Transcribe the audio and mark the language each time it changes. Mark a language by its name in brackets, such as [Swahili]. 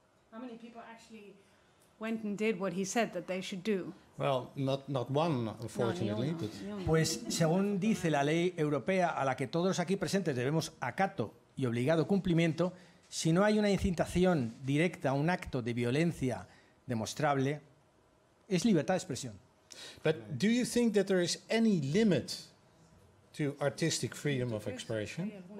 [English] How many people actually went and did what he said that they should do? Well, not one, unfortunately. No, [Spanish] pues según dice la ley europea a la que todos aquí presentes debemos acato y obligado cumplimiento, si no hay una incitación directa a un acto de violencia demostrable, es libertad de expresión. [English] But do you think that there is any limit to artistic freedom of expression?